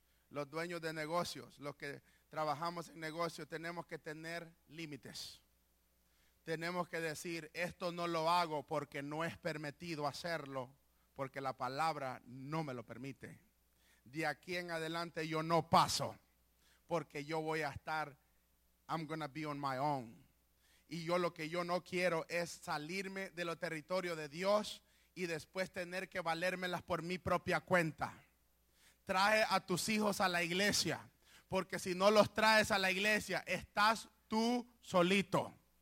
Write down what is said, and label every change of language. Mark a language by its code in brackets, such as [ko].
[es] Los dueños de negocios, los que trabajamos en negocios, tenemos que tener límites. Tenemos que decir esto no lo hago porque no es permitido hacerlo, porque la palabra no me lo permite. De aquí en adelante yo no paso. Porque yo voy a estar, [en] I'm going to be on my own. [es] Y yo lo que yo no quiero es salirme de lo territorio de Dios y después tener que valérmelas por mi propia cuenta. Trae a tus hijos a la iglesia, porque si no los traes a la iglesia, estás tú solito.